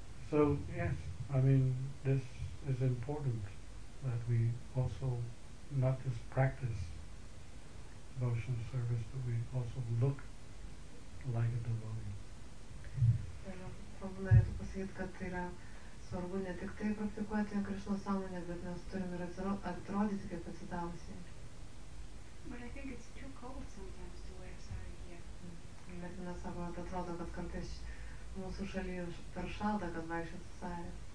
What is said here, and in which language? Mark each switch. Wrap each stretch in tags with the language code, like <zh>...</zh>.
<en>So, yes, I mean, this is important that we also not just practice devotional service, but we also look like a devotee.</en> <lt>Prabhu norėtų pasakyt, kad tai yra svarbu ne tik tai praktikuoti Krishna sąmonę, bet mes turime ir atrodyti kaip atsidavusiai.</lt> <en>But I think it's too cold sometimes to wear sari here.</en> <lt>Bet mes sako, kad atrodo, kad kartais mūsų šalyje per šalta, kad vaikščioti sari.</lt>